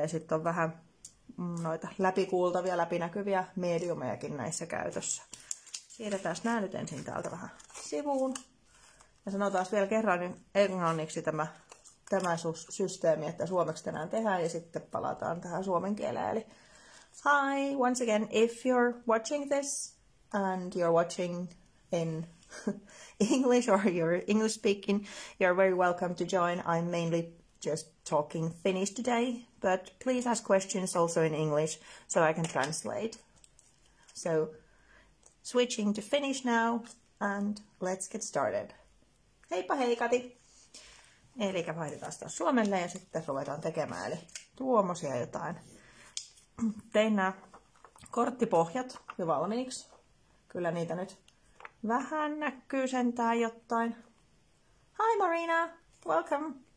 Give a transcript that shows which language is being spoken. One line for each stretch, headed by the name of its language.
Finnish: Ja sitten on vähän noita läpikuultavia, läpinäkyviä mediumejakin näissä käytössä. Siirretään nämä nyt ensin täältä vähän sivuun. Ja sanotaan vielä kerran englanniksi tämä systeemi, että suomeksi tänään tehdään ja sitten palataan tähän suomen kieleen.
English: Eli hi, once again, if you're watching this and you're watching in English or you're English speaking, you're very welcome to join. I'm mainly just talking Finnish today, but please ask questions also in English so I can translate. So switching to Finnish now and let's get started.
Finnish: Heippa hei Kati! Eli vaihdetaan taas suomelle ja sitten ruvetaan tekemään. Eli tuommoisia jotain. Tein nämä korttipohjat jo valmiiksi. Kyllä niitä nyt vähän näkyy sentään jotain.
English: Hi Marina! Welcome!